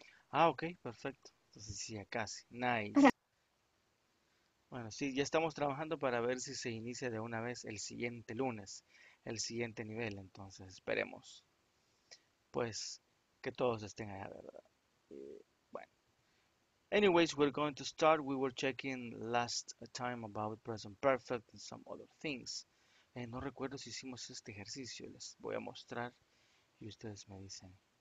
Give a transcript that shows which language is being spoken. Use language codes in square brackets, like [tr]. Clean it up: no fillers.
[es] Ah, ok, perfecto. Entonces sí, ya casi. Nice. Bueno, sí, ya estamos trabajando para ver si se inicia de una vez el siguiente lunes, el siguiente nivel. Entonces esperemos, pues, que todos estén allá, ¿verdad? [en] Anyways, we're going to start. We were checking last time about present perfect and some other things. [es] No recuerdo si hicimos este ejercicio. Les voy a mostrar y ustedes me dicen.